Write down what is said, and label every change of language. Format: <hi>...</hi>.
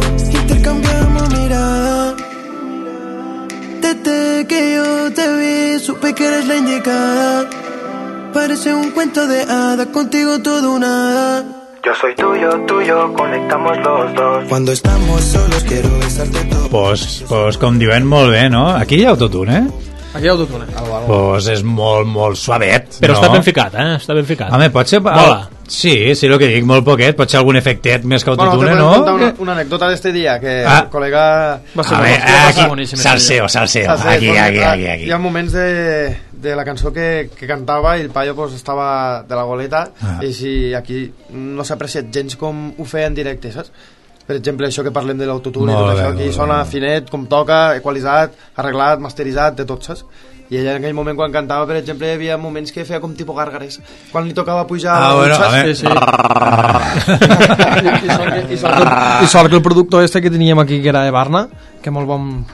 <es>Intercambiamos miradas. Desde que yo te vi, supe que eres la indicada. Parece un cuento de hadas, contigo todo nada. Yo soy tuyo, tuyo, conectamos los dos. Cuando estamos solos quiero besarte todo.</es> <ca>Pues com diuen, molt bé, no? Aquí hi ha autotune, eh? Aquí hi ha autotune. Pues és molt, molt suavet, no? Però està ben ficat, eh? Està ben ficat. Home, pot ser... Mola. Sí, sí, el que dic, molt poquet. Pot ser algun efectet més que autotune, bueno, no? Bueno, una anècdota d'este dia que ah. El col·lega... Va ser bé, aquí, salseo. Aquí. Hi ha moments de... De la cançó que cantava i el paio pues, estava de la goleta ah. I si aquí no s'ha apreciat gens com ho feia en directe, saps? Per exemple, això que parlem de l'autotune, aquí sona finet, com toca, equalitzat, arreglat, masteritzat, de tot, saps? I ella en aquell moment quan cantava, per exemple, hi havia moments que feia com tipus gàrgares. Quan li tocava pujar... Ah, bueno, a veure... I sort que el productor este que teníem aquí, que era de Barna, que molt bon...</ca>